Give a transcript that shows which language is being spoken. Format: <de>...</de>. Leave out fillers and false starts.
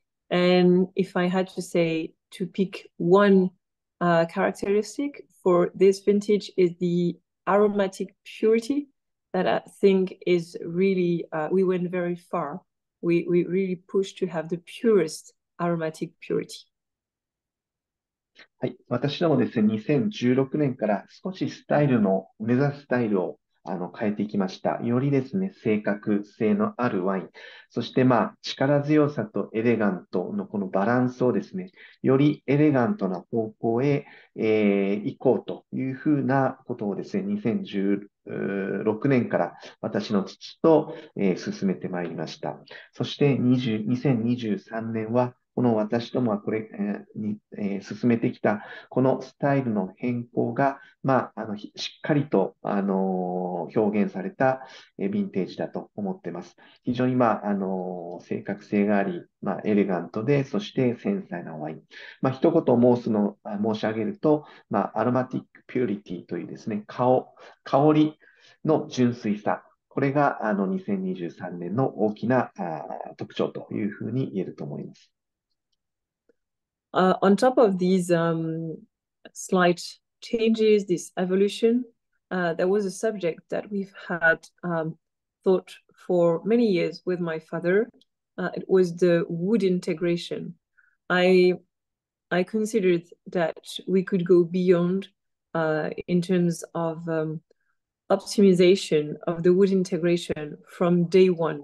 <en>And if I had to say to pick one characteristic for this vintage is the aromatic purity that I think is really, we went very far we really push to have the purest aromatic purity.</en> <ja>はい、私どもですね、2016年から少しスタイルの目指すスタイルを変えていきました。よりですね、性格性のあるワイン、そして、まあ、力強さとエレガントのこのバランスをですね、よりエレガントな方向へ、行こうというふうなことをですね、2016年から私の父と、進めてまいりました。そして2023年は、この私どもはこれに、進めてきたこのスタイルの変更が、まあ、しっかりと、表現されたヴィンテージだと思っています。非常に、まあ、正確性があり、まあ、エレガントで、そして繊細なワイン。まあ、一言申し上げると、まあ、アロマティックピューリティというですね、香りの純粋さ。これが2023年の大きな特徴というふうに言えると思います。</ja> <en>On top of these slight changes, this evolution, there was a subject that we've had thought for many years with my father. It was the wood integration. I considered that we could go beyond in terms of optimization of the wood integration from day one.</en>